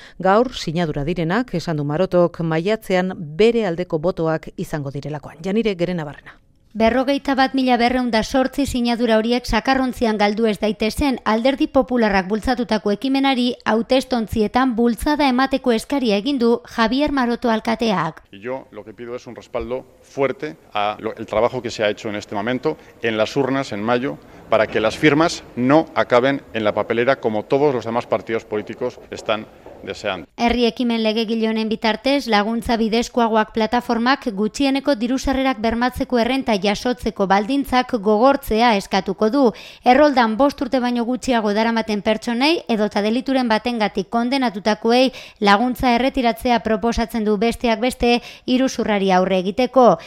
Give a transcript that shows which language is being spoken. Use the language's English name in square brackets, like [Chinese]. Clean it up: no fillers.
[Basque] Gaur sinadura direnak, esan du Marotok, maiatzean bere aldeko botoak izango direlakoan. Janire Gerenabarrena. Berrogeita bat mila berreun da sortzi sinadura horiek zakarrontzian galdu ez daitezen Alderdi Popularrak bultzatutako ekimenari hautestontzietan bultzada emateko eskaria egin du Javier Maroto alkateak. [Spanish] Yo lo que pido es un respaldo fuerte a el trabajo que se ha hecho en este momento en las urnas en mayo para que las firmas no acaben en la papelera como todos los demás partidos políticos están desean. [Basque] Herri ekimen legegile honen bitartez, laguntza bidezkoagoak plataformak gutxieneko dirusarrerak bermatzeko errenta jasotzeko baldintzak gogortzea eskatuko du. Erroldan 5 urte baino gutxiago daramaten pertsonei edota delituren batengatik kondenatutakoei laguntza erretiratzea proposatzen du besteak beste iruzurrari aurre egiteko.